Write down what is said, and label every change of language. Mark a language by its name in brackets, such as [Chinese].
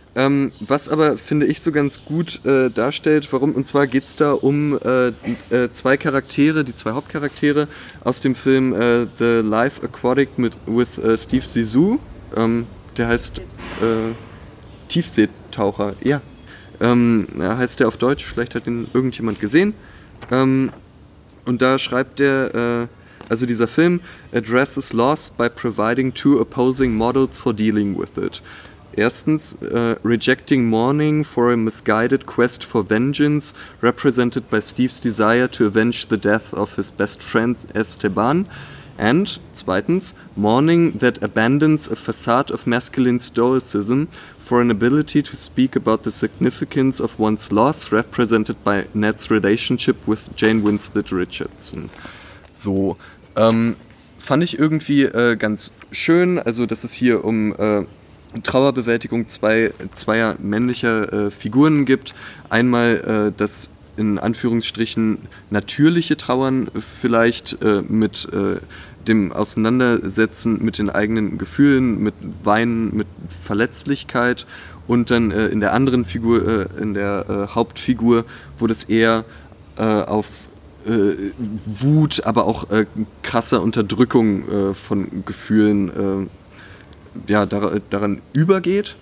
[German] Was aber, finde ich, so ganz gut darstellt, warum, und zwar geht es da um zwei Charaktere, die zwei Hauptcharaktere aus dem Film The Life Aquatic with Steve Zissou. Der heißt Tiefseetaucher, ja. Heißt der auf Deutsch, vielleicht hat ihn irgendjemand gesehen. Und da schreibt der, also dieser Film, [English] addresses loss by providing two opposing models for dealing with it. [German] Erstens, [English] rejecting mourning for a misguided quest for vengeance, represented by Steve's desire to avenge the death of his best friend Esteban. And [German] zweitens, [English] mourning that abandons a facade of masculine stoicism for an ability to speak about the significance of one's loss, represented by Ned's relationship with Jane Winslet Richardson. [German] So, fand ich irgendwie ganz schön, also dass es hier um Trauerbewältigung zweier männlicher Figuren gibt. Einmal, dass in Anführungsstrichen natürliche Trauern vielleicht mit dem Auseinandersetzen mit den eigenen Gefühlen, mit Weinen, mit Verletzlichkeit, und dann in der anderen Figur, in der Hauptfigur, wo das eher auf Wut, aber auch krasser Unterdrückung von Gefühlen daran übergeht.